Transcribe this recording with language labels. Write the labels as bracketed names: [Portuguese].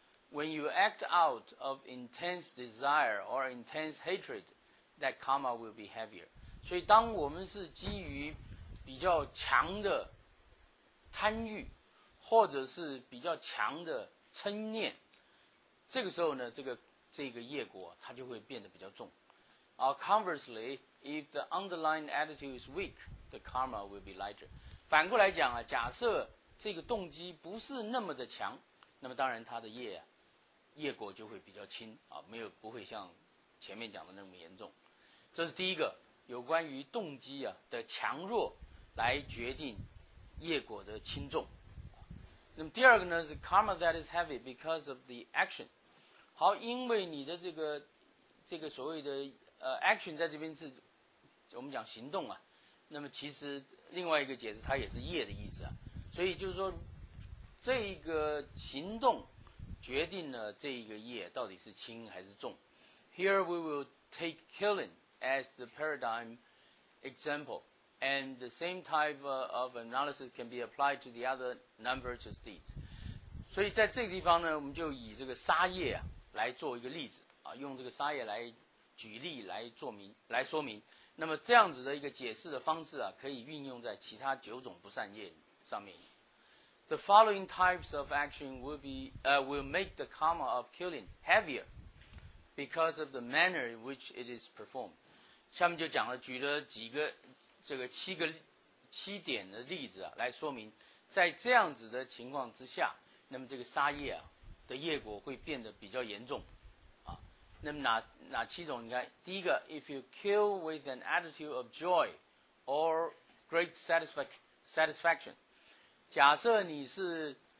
[English] When you act out of intense desire or intense hatred, that karma will be heavier. [Chinese] 所以当我们是基于比较强的贪欲或者是比较强的嗔念，这个时候呢，这个业果它就会变得比较重。 [English] Conversely, if the underlying attitude is weak, the karma will be lighter. [Chinese] 反过来讲啊，假设这个动机不是那么的强，那么当然它的业果就会比较轻啊，没有不会像前面讲的那么严重。这是第一个，有关于动机啊的强弱来决定业果的轻重。那么第二个呢是 [English] karma that is heavy because of the action. [Chinese] 好，因为你的这个所谓的action 在这边是我们讲行动啊，那么其实另外一个解释它也是业的意思啊，所以就是说这个行动决定了这个业到底是轻还是重。 [English] Here we will take killing as the paradigm example, and the same type of analysis can be applied to the other non-virtuous deeds. [Chinese] 所以在这个地方呢，我们就以这个杀业啊来做一个例子啊，用这个杀业来举例来说明。那么这样子的一个解释的方式啊，可以运用在其他九种不善业上面。 [English] The following types of action will make the karma of killing heavier because of the manner in which it is performed. [Chinese] 下面就讲了，举了几个这个七点的例子啊，来说明在这样子的情况之下，那么这个杀业啊的业果会变得比较严重。那么哪七种？你看，第一个 [English] ，if you kill with an attitude of joy or great satisfaction， [Chinese] 假设你是